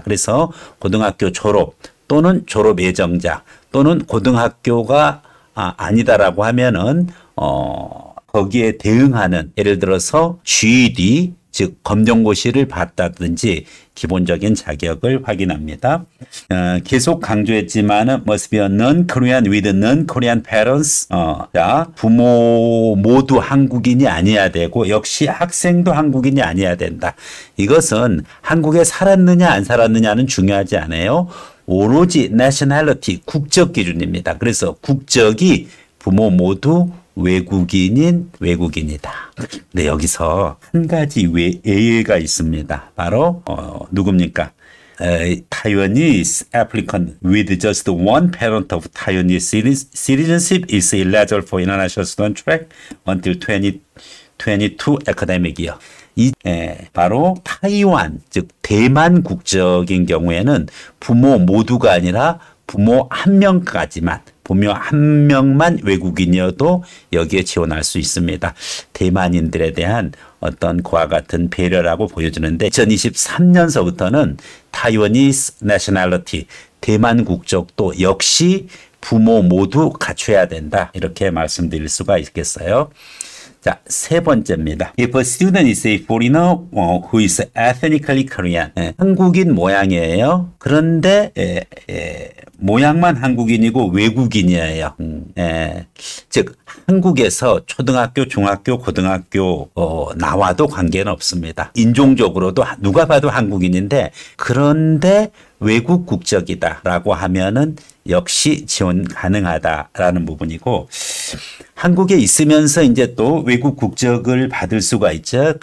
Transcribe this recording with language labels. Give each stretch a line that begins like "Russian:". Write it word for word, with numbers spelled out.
Korean: 그래서 고등학교 졸업 또는 졸업 예정자 또는 고등학교가 아니다라고 하면은 어 거기에 대응하는, 예를 들어서 지이디, 즉 검정고시를 봤다든지 기본적인 자격을 확인합니다.
English: 어,
Korean: 계속 강조했지만은
English: must be a non-Korean with non-Korean parents.
Korean: 어, 자, 부모 모두 한국인이 아니어야 되고 역시 학생도 한국인이 아니어야 된다. 이것은 한국에 살았느냐 안 살았느냐는 중요하지 않아요. 오로지 nationality, 국적 기준입니다. 그래서 국적이 부모 모두 외국인인 외국인이다. 근데 여기서 한 가지 외, 예외가 있습니다. 바로 어, 누굽니까?
English: 에, Taiwanese applicant with just one parent of Taiwanese citizenship is eligible for international student track until twenty twenty-two academic year.
Korean: 이 에, 바로 타이완, 즉 대만 국적인 경우에는 부모 모두가 아니라 부모 한 명까지만, 부모 한 명만 외국인이어도 여기에 지원할 수 있습니다. 대만인들에 대한 어떤 그와 같은 배려라고 보여주는데 이천이십삼 년서부터는 Taiwanese nationality, 대만 국적도 역시 부모 모두 갖춰야 된다. 이렇게 말씀드릴 수가 있겠어요. 자, 세 번째입니다.
English: If a student is a foreigner who is ethnically Korean.
Korean: 예, 한국인 모양이에요. 그런데 예, 예, 모양만 한국인이고 외국인이에요. 음, 예, 즉 한국에서 초등학교, 중학교, 고등학교 어, 나와도 관계는 없습니다. 인종적으로도 누가 봐도 한국인인데 그런데 외국 국적이다라고 하면은 역시 지원 가능하다라는 부분이고, 한국에 있으면서 이제 또 외국 국적을 받을 수가 있죠.